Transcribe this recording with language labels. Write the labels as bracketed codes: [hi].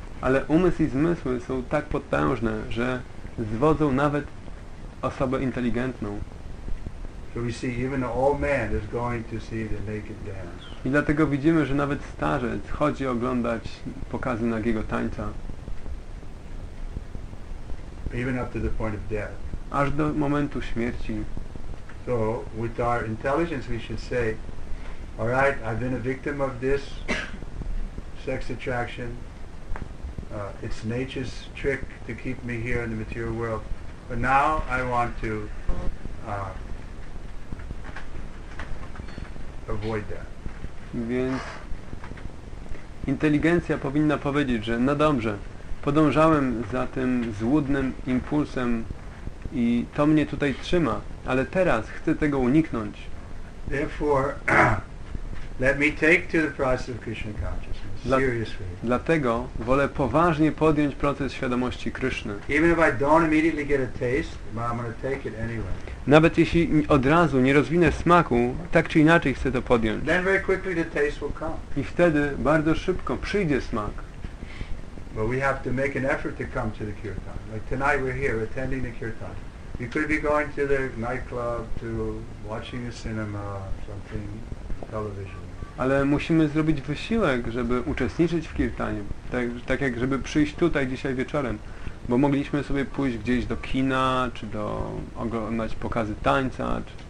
[pl] Ale umysł i zmysły są tak potężne, że zwodzą nawet osobę inteligentną. [en] So we see even the old man is going to see the naked dance. [pl] I dlatego widzimy, że nawet starzec chodzi oglądać pokazy nagiego tańca. [en] Even up to the point of death. [pl] Aż do momentu śmierci. [en] So with our intelligence we should say, all right, I've been a victim of this sex attraction. It's nature's trick to keep me here in the material world. But now I want to avoid that. [pl] Więc inteligencja powinna powiedzieć, że no dobrze, podążałem za tym złudnym impulsem i to mnie tutaj trzyma, ale teraz chcę tego uniknąć. [en] Therefore, let me take to the process of Krishna consciousness seriously. [pl] Dlatego wolę poważnie podjąć proces świadomości Kryszny. [en] Even if I don't immediately get a taste, but I'm going to take it anyway. [pl] Nawet jeśli od razu nie rozwinę smaku, tak czy inaczej chcę to podjąć. [en] Then very quickly the taste will come. [pl] I wtedy bardzo szybko przyjdzie smak. [en] But we have to make an effort to come to the kirtan. Like tonight we're here attending the kirtan. We could be going to the nightclub, to watching a cinema, something, television. [pl] Ale musimy zrobić wysiłek, żeby uczestniczyć w kirtanie. Tak jak żeby przyjść tutaj dzisiaj wieczorem. Bo mogliśmy sobie pójść gdzieś do kina, czy do oglądać pokazy tańca.